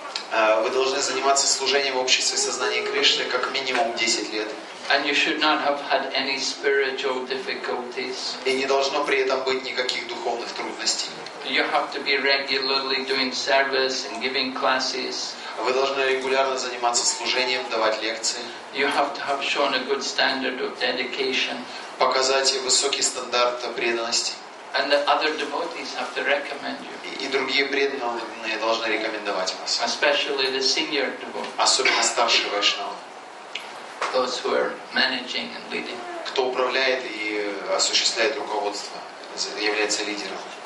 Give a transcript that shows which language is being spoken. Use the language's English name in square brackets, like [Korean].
[Russian] Вы должны заниматься служением в обществе сознания Кришны как минимум 10 лет. [English] And you should not have had any spiritual difficulties. [Russian] И не должно при этом быть никаких духовных трудностей. [English] You have to be regularly doing service and giving classes. [Russian] Вы должны регулярно заниматься служением, давать лекции. [English] You have to have shown a good standard of dedication. [Russian] Показать высокий стандарт преданности. [English] And the other devotees have to recommend you. [Russian] И другие преданные должны рекомендовать вас. [English] Especially the senior devotees. [Russian] Особенно старшие вайшнавы. [English] Those who are managing and leading. [Russian] Кто управляет и осуществляет руководство, является лидером.